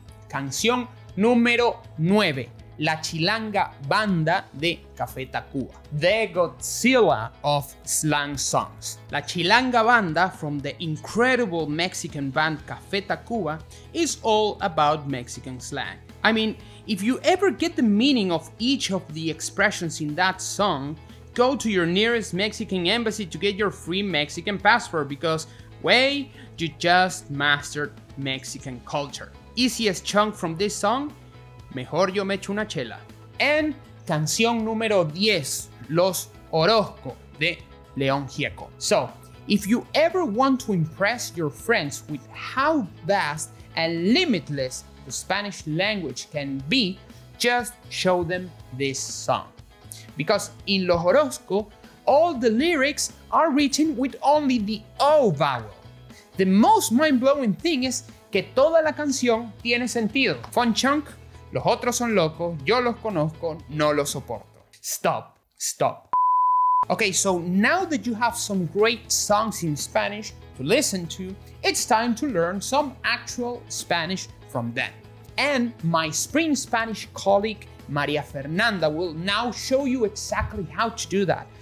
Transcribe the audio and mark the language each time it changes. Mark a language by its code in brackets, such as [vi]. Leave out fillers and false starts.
[es] Canción número 9, La Chilanga Banda de Café Tacvba. [en] The Godzilla of slang songs. La Chilanga Banda from the incredible Mexican band Café Tacvba is all about Mexican slang. I mean, if you ever get the meaning of each of the expressions in that song, go to your nearest Mexican embassy to get your free Mexican passport because, way, you just mastered Mexican culture. Easiest chunk from this song? [es] Mejor yo me echo una chela. [en] And [es] canción número [en] 10, Los Orozco de León Gieco. So, if you ever want to impress your friends with how vast and limitless the Spanish language can be, just show them this song. Because in Los Orozco, all the lyrics are written with only the O vowel. The most mind-blowing thing is [es] que toda la canción tiene sentido. [en] Fun chunk, [es] los otros son locos, yo los conozco, no los soporto. [en] Stop, stop. Okay, so now that you have some great songs in Spanish to listen to, it's time to learn some actual Spanish from them. And my spring Spanish colleague, Maria Fernanda, will now show you exactly how to do that.